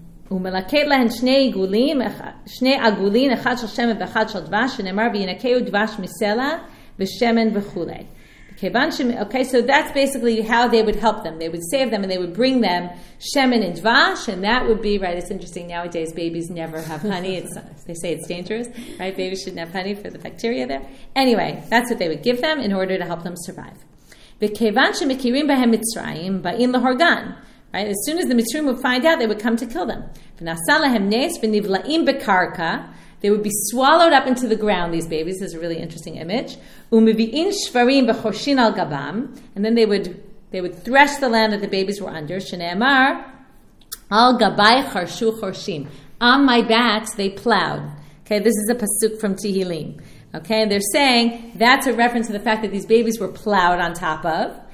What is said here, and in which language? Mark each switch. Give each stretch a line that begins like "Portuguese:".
Hebrew: ומלקט להן שני עגולים, אחד של שמן ואחד של דבש, שנאמר, וינקהו דבש מסלע ושמן וכולי.
English: Okay, so that's basically how they would help them. They would save them and they would bring them shemen and dvash, and that would be, right, it's interesting, nowadays babies never have honey. They say it's dangerous, right? Babies shouldn't have honey for the bacteria there. Anyway, that's what they would give them in order to help them survive.
Hebrew: וכיוון שמכירים בהם מצרים, באים להורגן.
English: Right? As soon as the Mitzrayim would find out, they would come to kill them.
Hebrew: ונעשה להם נס ונבלעים בקרקע.
English: They would be swallowed up into the ground, these babies. This is a really interesting image.
Hebrew: ומביאים שברים וחושין על גבם.
English: And then they would thresh the land that the babies were under.
Hebrew: שנאמר, על גבי חרשו חרשים.
English: On my backs, they plowed. Okay, this is a pasuk from Tehillim. Okay, and they're saying that's a reference to the fact that these babies were plowed on top of.